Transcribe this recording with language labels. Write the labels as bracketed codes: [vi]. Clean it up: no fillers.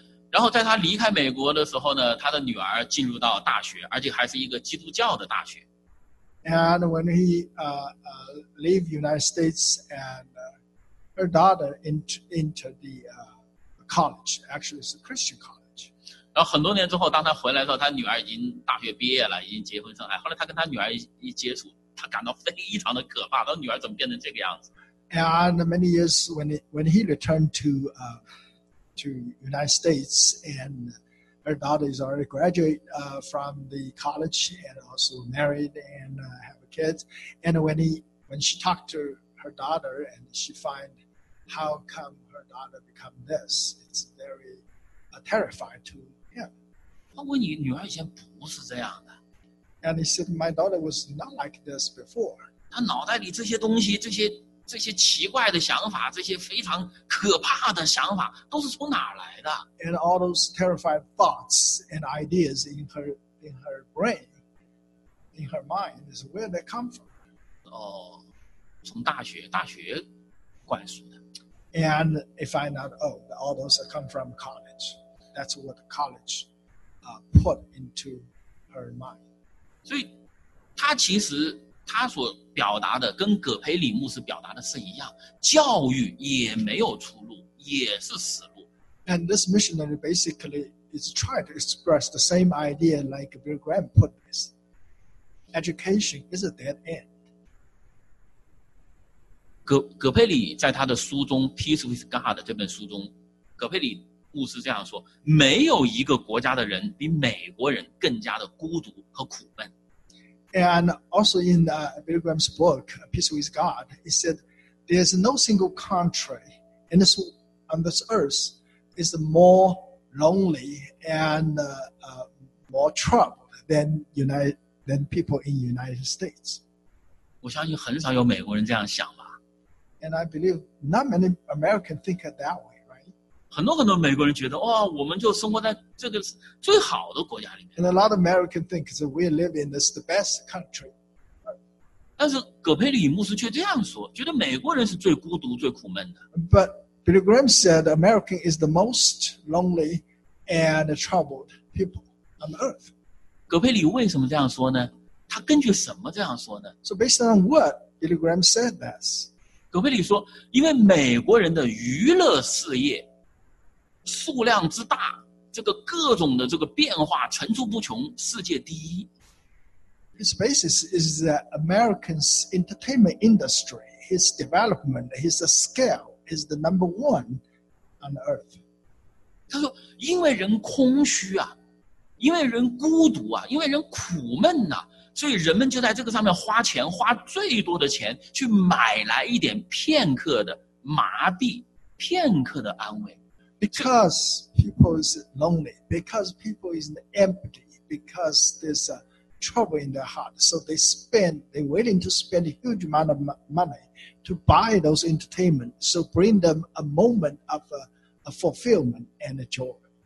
[zh] 然后在他离开美国的时候呢，他的女儿进入到大学，而且还是一个基督教的大学。 [en] And when he leave United States andHer daughter entered the college. Actually, it's a Christian college. [zh] 然后很多年之后，当他回来的时候，他女儿已经大学毕业了，已经结婚生孩。后来他跟他女儿一接触，他感到非常的可怕。他女儿怎么变成这个样子 [en] ？And many years when he returned to United States, and her daughter is already graduate from the college and also married and have a kid. And when she talked to her daughter and she find how come her daughter become this, it's very terrifying to him. [zh] 他问你女儿以前不是这样的。 [en] And he said, my daughter was not like this before. [zh] 他脑袋里这些东西，这些奇怪的想法，这些非常可怕的想法都是从哪来的？ [en] And all those terrified thoughts and ideas in her brain, in her mind, is where they come from. [zh] 从大学灌输的。 [en] And if I not, oh, all those that come from college. That's what college put into her mind. [zh] 所以他其实他所表达的跟葛培理牧师表达的是一样，教育也没有出路，也是死路。 [en] And this missionary basically is trying to express the same idea like Bill Graham put this. Education is a dead end. [zh] 葛培理在他的书中《Peace with God》这本书中，葛培理牧师这样说，没有一个国家的人比美国人更加的孤独和苦闷。 [en] And also in the Pilgrim's book, Peace with God, he said, there's no single country in this, on this earth is more lonely and more troubled than people in the United States. [zh] 我相信很少有美国人这样想吧。 [en] And I believe not many Americans think it that way, right? [zh] 很多很多美国人觉得，哦，我们就生活在这个最好的国家里面。 [en] And a lot of Americans think that we live in this the best country. [zh] 但是葛佩里牧师却这样说，觉得美国人是最孤独、最苦闷的。 [en] But Billy Graham said America is the most lonely and troubled people on earth. [zh] 葛佩里为什么这样说呢？他根据什么这样说呢 [en] ？So based on what Billy Graham said this. [zh] 葛佩里说，因为美国人的娱乐事业数量之大，这个各种的这个变化层出不穷，世界第一。 [en] His basis is that America's entertainment industry, his development, his scale is the number one on earth. [zh] 他说，因为人空虚啊，因为人孤独啊，因为人苦闷呐、啊。所以人们就在这个上面花钱，花最多的钱去买来一点片刻的麻痹，片刻的安慰。 [en] Because people is lonely, because people is empty, because there's a trouble in their heart, so they're willing to spend a huge amount of money to buy those entertainment, so bring them a moment of a fulfillment and a joy.